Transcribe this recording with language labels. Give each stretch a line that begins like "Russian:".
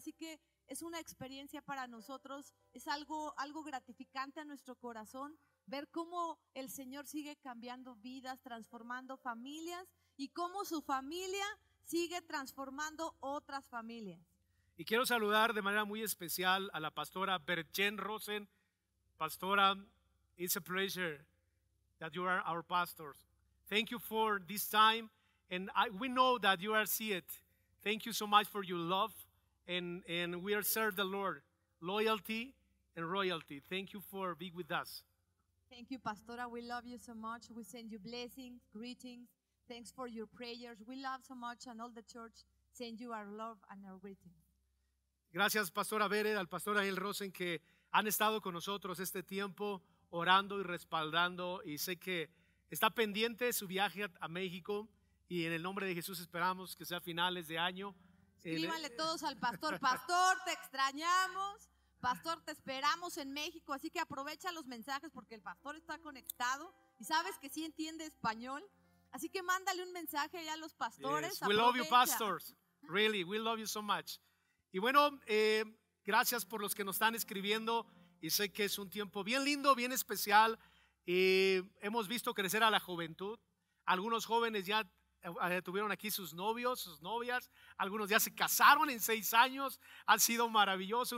Spanish: Así que es una experiencia para nosotros, es algo gratificante a nuestro corazón ver cómo el Señor sigue cambiando vidas, transformando familias, y cómo su familia sigue transformando otras familias. Y quiero saludar de manera muy especial a la pastora Bergen Rosen.
English: Pastora, it's a pleasure that you are our pastor. Thank you for this time, and we know that you are seated. Thank you so much for your love, and we are serve the Lord, loyalty and royalty. Thank you for being with us. Thank you, Pastora. We love you so much. We send you blessings, greetings. Thanks for your prayers. We love so much, and all the church send you our love and our greetings.
Spanish: Gracias, Pastora Vered, al Pastor Daniel Rosen, que han estado con nosotros este tiempo orando y respaldando, y sé que está pendiente su viaje a México, y en el nombre de Jesús esperamos que sea finales de año. Escríbanle todos al pastor: pastor, te extrañamos, pastor, te esperamos en México. Así que aprovecha los mensajes, porque el pastor está conectado y sabes que sí entiende español, así que mándale un mensaje allá a los pastores.
English: Yes. We love you, pastors, really, we love you so much.
Spanish: Y bueno, gracias por los que nos están escribiendo, y sé que es un tiempo bien lindo, bien especial. Hemos visto crecer a la juventud. Algunos jóvenes ya tuvieron aquí sus novios, sus novias. Algunos ya se casaron en 6 años. Ha sido maravilloso.